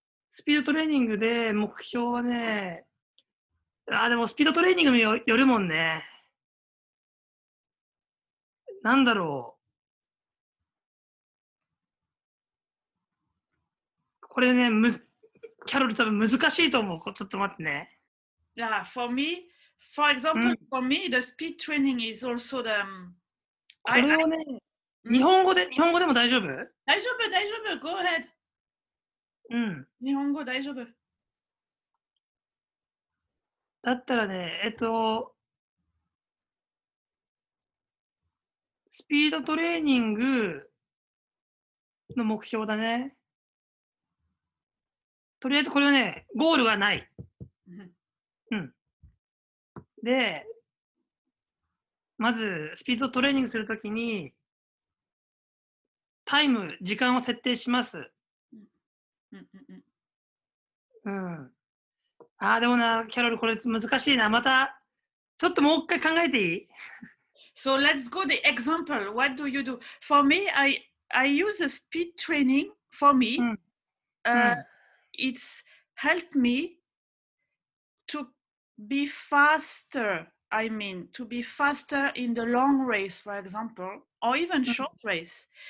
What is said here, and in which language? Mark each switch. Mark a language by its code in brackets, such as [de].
[ja] スピードトレーニングで目標はね、でもスピードトレーニングによるもんね。なんだろう。これね、キャロル多分難しいと思う。ちょっと待ってね。 [en] Yeah, for me, for example, for me, the speed training is also the. [ja] これをね、日本語でも大丈夫？大丈夫。 [en] Go ahead. [ja] 日本語大丈夫。だったらね、スピードトレーニングの目標だね。とりあえずこれはね、ゴールはない。で、まずスピードトレーニングするときにタイム、時間を設定します。うん。ああ、でもな、キャロル、これ難しいな。また、ちょっともう一回考えていい [en] ?So let's go the example. What do you do? For me, I use a speed training for me.、 [ja] うん [en] it's help me to be faster. I mean, to be faster in the long race, for example, or even short race.